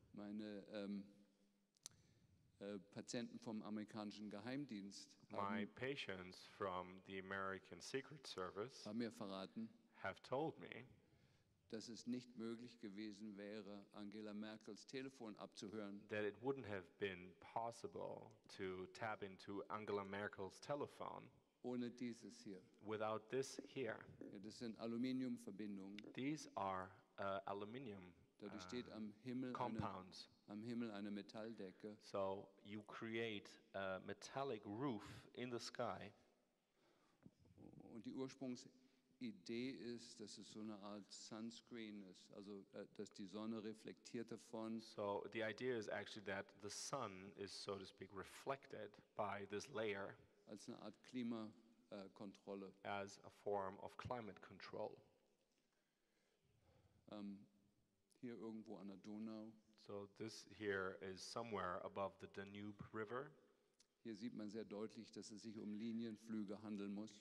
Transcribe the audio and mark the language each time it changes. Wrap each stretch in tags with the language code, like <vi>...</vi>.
<de>Meine Patienten vom amerikanischen Geheimdienst haben mir verraten,</de> <en>have told me,</en> <de>dass es nicht möglich gewesen wäre, Angela Merkels Telefon abzuhören.</de> <en>That it wouldn't have been possible to tap into Angela Merkel's telephone.</en> <de>Ohne dieses hier.</de> <en>Without this here.</en> <de>Ja, das sind Aluminiumverbindungen.</de> <en>These are aluminium.</en> <de>Dadurch steht am Himmel</de> <en>compounds.</en> <de>Am Himmel eine Metalldecke.</de> <en>So you create a metallic roof in the sky.</en> <de>Und die Ursprungsidee ist, dass es so eine Art Sunscreen ist, also dass die Sonne reflektiert davon.</de> <en>So the idea is actually that the sun is, so to speak, reflected by this layer.</en> <de>Als eine Art Klimakontrolle.</de> <en>As a form of climate control.</en> <de>Hier irgendwo an der Donau.</de> <en>So this here is somewhere above the Danube River.</en> <de>Hier sieht man sehr deutlich, dass es sich um Linienflüge handeln muss.</de>